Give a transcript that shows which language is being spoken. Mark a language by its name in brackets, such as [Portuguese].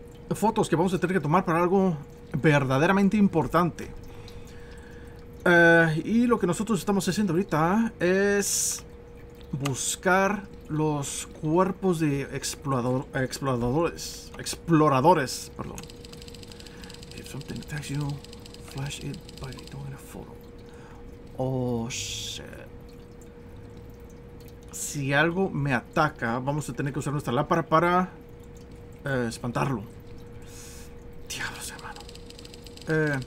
[Spanish] fotos que vamos a tener que tomar para algo verdaderamente importante. Y lo que nosotros estamos haciendo ahorita es buscar los cuerpos de exploradores, perdón. [English] If something attacks you, flash it by doing a photo. Oh, shit. [Spanish] Si algo me ataca, vamos a tener que usar nuestra lámpara para espantarlo. Diablos, hermano.